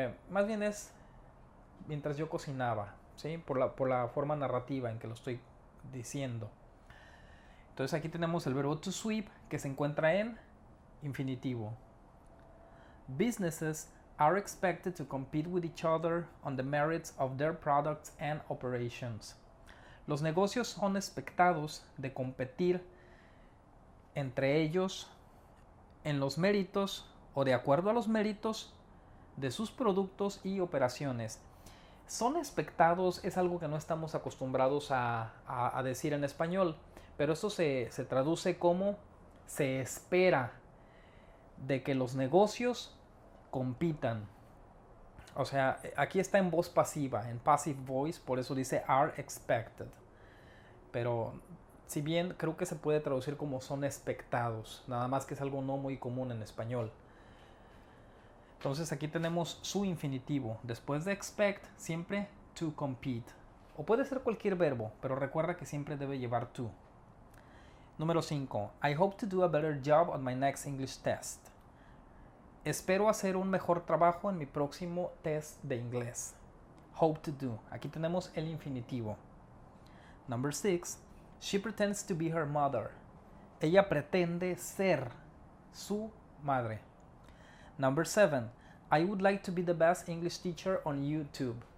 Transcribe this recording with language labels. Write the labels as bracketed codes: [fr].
[es] Más bien es mientras yo cocinaba, ¿sí? Por la forma narrativa en que lo estoy diciendo. Entonces aquí tenemos el verbo to sweep, que se encuentra en infinitivo. [en] Businesses are expected to compete with each other on the merits of their products and operations. [es] Los negocios son expectados de competir entre ellos en los méritos o de acuerdo a los méritos de sus productos y operaciones. Son expectados es algo que no estamos acostumbrados a decir en español, pero esto se traduce como se espera de que los negocios compitan. O sea, aquí está en voz pasiva, en passive voice, por eso dice are expected. Pero si bien creo que se puede traducir como son expectados, nada más que es algo no muy común en español. Entonces aquí tenemos su infinitivo. Después de expect, siempre to compete. O puede ser cualquier verbo, pero recuerda que siempre debe llevar to. Número 5. [en] I hope to do a better job on my next English test. [es] Espero hacer un mejor trabajo en mi próximo test de inglés. [en] Hope to do. [es] Aquí tenemos el infinitivo. [en] Number 6. She pretends to be her mother. [es] Ella pretende ser su madre. [en] Number 7. I would like to be the best English teacher on YouTube.